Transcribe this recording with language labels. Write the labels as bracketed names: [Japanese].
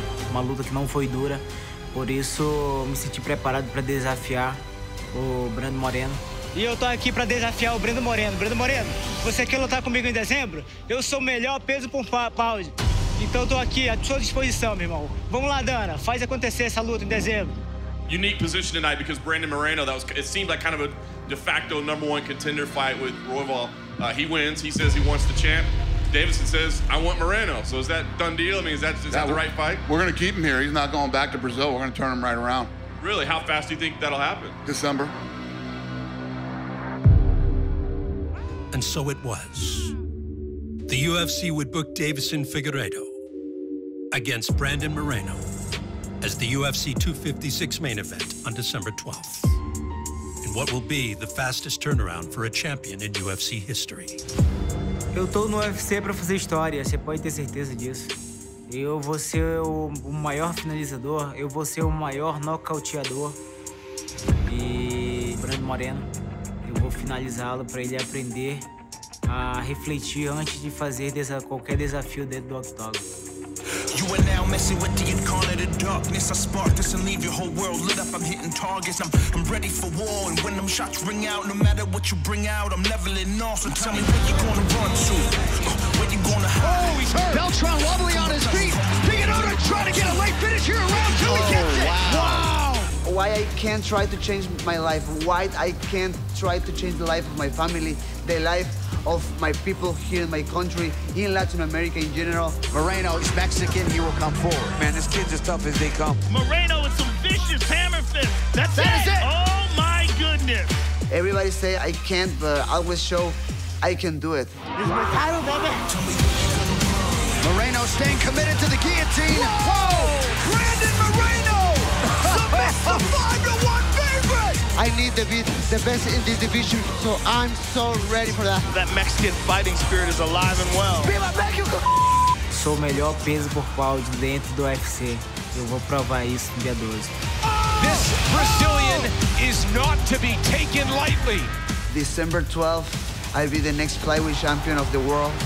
[Portuguese] Uma luta que não foi dura. Por isso, me senti preparado para desafiar o Brandon Moreno. E eu tô aqui pra desafiar o Brandon Moreno. Brandon Moreno, você quer lutar comigo em dezembro? Eu sou o melhor peso por pound. Então eu tô aqui à sua disposição, meu irmão. Vamos lá, Dana, faz acontecer essa luta em dezembro. [English] Unique position tonight because Brandon Moreno, that was, it seemed like kind of a de facto number one contender fight with Royval. He wins, he says he wants the champ. Davison says, I want Moreno. So is that done deal? I mean, is that the right fight? We're gonna keep him here. He's not going back to Brazil. We're gonna turn him right around. Really, how fast do you think that'll happen? December. And so it was. The UFC would book Davison Figueiredo against Brandon Moreno as the UFC 256 main event on December 12th in what will be the fastest turnaround for a champion in UFC history. [Portuguese] Eu tô no UFC para fazer história, você pode ter certeza disso. Eu vou ser o maior finalizador, eu vou ser o maior nocauteador. E Brandon Moreno, eu vou finalizá-lo para ele aprender a refletir antes de fazer qualquer desafio dentro do octógono. [English] You are now messing with the incarnate of darkness. I spark this and leave your whole world lit up. I'm hitting targets. I'm ready for war. And when them shots ring out, no matter what you bring out, I'm leveling off. So tell me where you're gonna run to. Where you gonna hide? Oh, he's hurt. Beltran wobbly on his feet. Figueiredo trying to get a late finish here around two. Oh, he gets it. Wow. Why I can't try to change my life? Why I can't try to change the life of my family, the life of my people here in my country, in Latin America in general. Moreno is Mexican, he will come forward. Man, this kid's as tough as they come. Moreno with some vicious hammer fist. That's it! Oh my goodness! Everybody say I can't, but I always show I can do it. This is my title, baby. Moreno staying committed to the guillotine. Whoa! Brandon Moreno! Submits the 5-1 favorite! I need to be the best in this division, so I'm so ready for that. That Mexican fighting spirit is alive and well. [Spanish] Viva México! [Portuguese] Sou o melhor peso por pau de dentro do UFC. Eu vou provar isso no dia 12. [English] This Brazilian is not to be taken lightly. December 12th, I'll be the next flyweight champion of the world.